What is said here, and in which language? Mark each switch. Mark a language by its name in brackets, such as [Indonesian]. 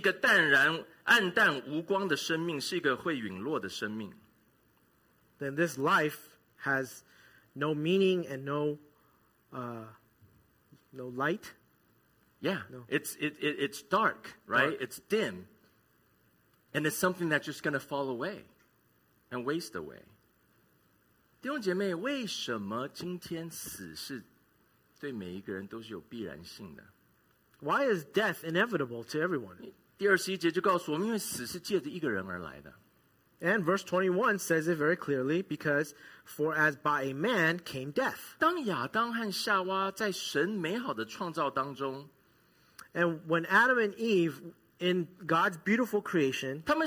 [Chinese] 那这个生命最终毕竟是一个淡然暗淡无光的生命, 是一个会陨落的生命, [English] then this life has no meaning and no light. Yeah, no. It's dark, right? Dark. It's dim. And it's something that's just going to fall away and waste away. [Chinese] 弟兄姐妹, 为什么今天死是对每一个人都是有必然性的? [English] Why is death inevitable to everyone? [Chinese] 第二十一节就告诉我们, 因为死是借着一个人而来的。 [English] And verse 21 says it very clearly, because for as by a man came death. [Chinese] 当亚当和夏娃在神美好的创造当中, [English] and when Adam and Eve, in God's beautiful creation,